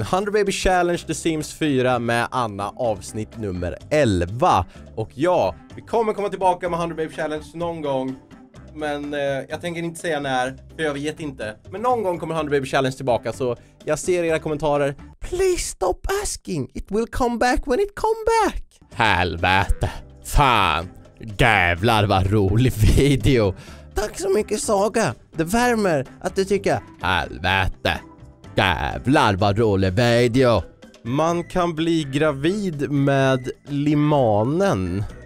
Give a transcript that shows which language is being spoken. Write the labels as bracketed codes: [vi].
[sv] 100 Baby Challenge The Sims 4 med Anna, avsnitt nummer 11. Och ja, vi kommer komma tillbaka med 100 Baby Challenge någon gång. Men jag tänker inte säga när, för jag vet inte. Men någon gång kommer 100 Baby Challenge tillbaka, så jag ser era kommentarer. [en] Please stop asking, it will come back when it come back. [sv] Helvete, fan, jävlar vad rolig video. Tack så mycket Saga, det värmer att du tycker. Helvete, jävlar vad rolig video. Man kan bli gravid med limanen.